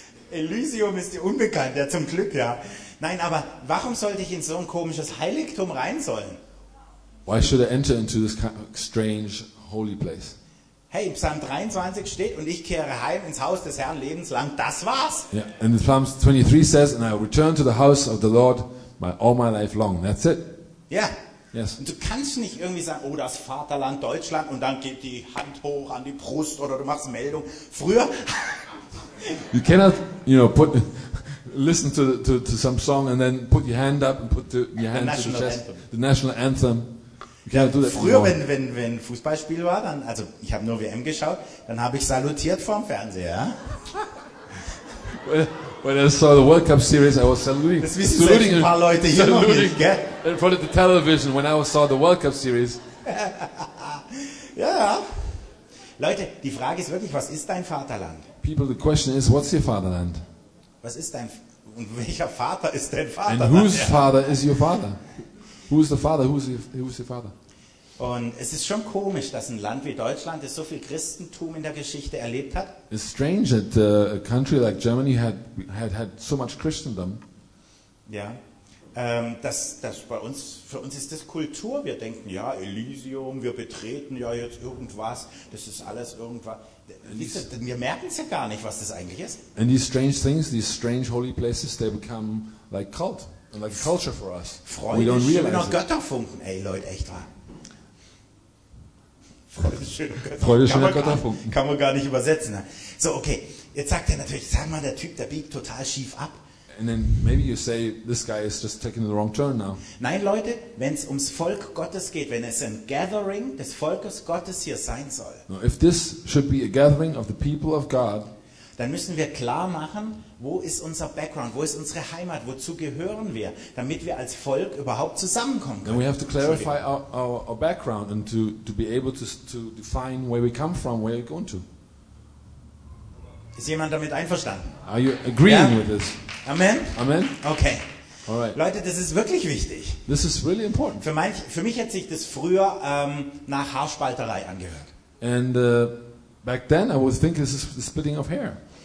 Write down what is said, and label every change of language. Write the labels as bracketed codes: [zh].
[de] Elysium ist die Unbekannte. Ja, zum Glück, ja. Nein, aber warum sollte ich in so ein komisches Heiligtum rein sollen? [en] Why should I enter into this kind of strange holy place? [de] Hey, in Psalm 23 steht, und ich kehre heim ins Haus des Herrn lebenslang. Das war's. [en] Yeah, and Psalm 23 says, and I return to the house of the Lord all my life long. That's it. Yeah. Yes. [de] Und du kannst nicht irgendwie sagen, oh, das Vaterland Deutschland, und dann geht die Hand hoch an die Brust oder du machst Meldung. Früher. [en] You cannot, you know, put, listen to some song and then put your hand up and put your hand to the chest. The national anthem. [de] Früher, wenn Fußballspiel war, dann, also ich habe nur WM geschaut, dann habe ich salutiert vorm Fernseher. [en] When I saw the World Cup series, I was saluting. [de] Das wissen selbst ein paar Leute hier noch nicht, gell? [en] In front of the television, when I saw the World Cup series. [de] Ja, ja. Leute, die Frage ist wirklich, was ist dein Vaterland? [en] People, the question is, what's your fatherland? [de] Was ist dein, und welcher Vater ist dein Vaterland? [en] And whose father is your father? Who is the father? Who is the father? [de] Und es ist schon komisch, dass ein Land wie Deutschland, das so viel Christentum in der Geschichte erlebt hat. [en] It's strange that a country like Germany had so much Christendom. [de] Ja, das bei uns, für uns ist das Kultur. Wir denken, ja, Elysium, wir betreten ja jetzt irgendwas. Das ist alles irgendwas. Wir merken es ja gar nicht, was das eigentlich ist. [en] And these strange things, these strange holy places, they become like cult. And like a culture for us. [de] Freude, [en] we don't realize [de] schöne Götterfunken, ey Leute, echt wahr. Freude, schöne Götterfunken. Kann man gar nicht übersetzen. So, okay, jetzt sagt er natürlich, sag mal, der Typ, der biegt total schief ab. [en] And then maybe you say, this guy is just taking the wrong turn now. [de] Nein, Leute, wenn es ums Volk Gottes geht, wenn es ein Gathering des Volkes Gottes hier sein soll. [en] Now, if this should be a gathering of the people of God, [de] dann müssen wir klar machen, wo ist unser Background, wo ist unsere Heimat, wozu gehören wir, damit wir als Volk überhaupt zusammenkommen können. [en] Then we have to clarify our background and to be able to define where we come from, where we're going to. [de] Ist jemand damit einverstanden? [en] Are you agreeing with this? Amen. Amen. Okay. All right. [de] Leute, das ist wirklich wichtig. [en] This is really important. [de] Für mich hat sich das früher nach Haarspalterei angehört. [en] And back then I would think this is the splitting of hair.